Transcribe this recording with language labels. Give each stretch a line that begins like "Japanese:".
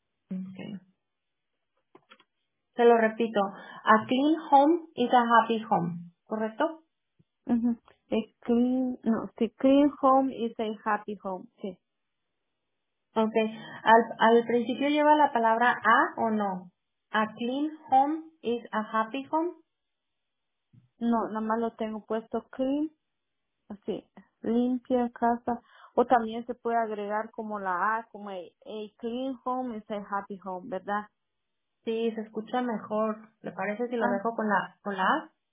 English: Okay.
Spanish: Se lo repito,
English: a clean home is a happy home,
Spanish: ¿correcto?
English: Uh-huh. A clean,
Spanish: no, sí,
English: clean home is a happy home, sí.
Spanish: Okay, ¿al principio lleva la palabra a o no?
English: A clean home is a happy home.
Spanish: No, nada más lo tengo puesto clean, así, limpia casa, o también se puede agregar como la a, como
English: a clean home is a happy home,
Spanish: ¿verdad? Sí, se escucha mejor. ¿Le parece si lo dejo con la A?